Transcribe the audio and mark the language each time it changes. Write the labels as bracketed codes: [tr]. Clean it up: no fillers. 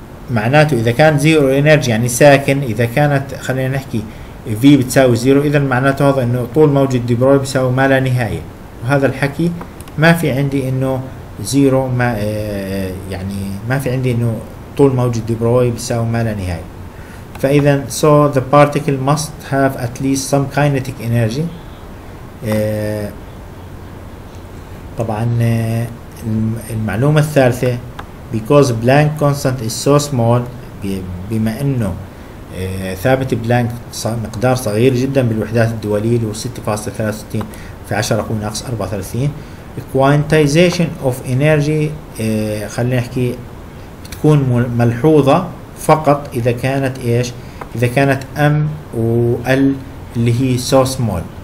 [ar] معناته اذا كان زيرو انرجي يعني ساكن، اذا كانت خلينا نحكي في بتساوي زيرو، اذا معناته هذا انه طول موجة دي بروي بيساوي ما لا نهايه، وهذا الحكي ما في عندي انه زيرو، ما يعني ما في عندي انه طول موجة دي بروي بيساوي ما لا نهايه. [en] فاذا so the particle must have at least some kinetic energy. [ar] طبعا المعلومة الثالثة، [en] because [ar] بلانك [en] constant is so small، [ar] بما انه ثابت بلانك مقدار صغير جدا بالوحدات الدولية اللي هو 6.63 في 10 اقوى ناقص 34، [en] quantization of energy [ar] خلينا نحكي بتكون ملحوظة فقط اذا كانت ايش، اذا كانت ام و ال اللي هي [en] so small،